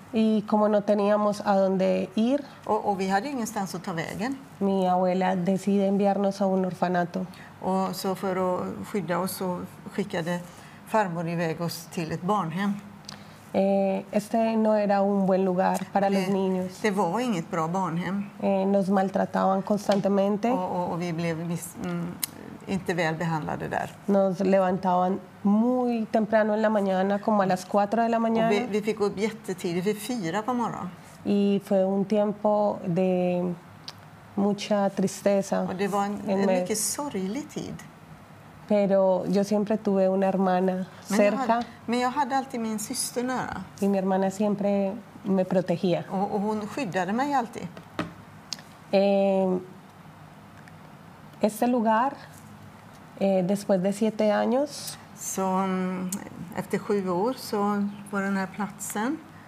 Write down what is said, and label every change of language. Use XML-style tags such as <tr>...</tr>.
<es>Y como no teníamos a dónde ir,</es> <sv>och vi hade ingenstans att ta vägen.</sv> <es>Mi abuela decide enviarnos a un orfanato.</es> <sv>Och så för att skydda oss så skickade farmor iväg oss till ett barnhem.</sv> <es>Este no era un buen lugar para los niños.</es> <sv>Det var inget bra barnhem.</sv> <es>Nos maltrataban constantemente.</es> <sv>Och vi blev inte väl behandlade där.</sv> <es>Nos levantaban muy temprano en la mañana, como a las 4 de la mañana.</es> <sv>Vi fick upp jättetidigt, vid 4 på morgonen.</sv> <es>Y fue un tiempo de mucha tristeza.</es> <sv>Och det var en mycket sorglig tid.</sv> <es>Pero yo siempre tuve una hermana cerca.</es> <sv>Men jag hade alltid min syster nära.</sv> <es>Y mi hermana siempre me protegía.</es> <sv>Och hon skyddade mig alltid.</sv> <es>Este lugar, después de 7 años,</es> <sv>så efter 7 år så var den här platsen.</sv>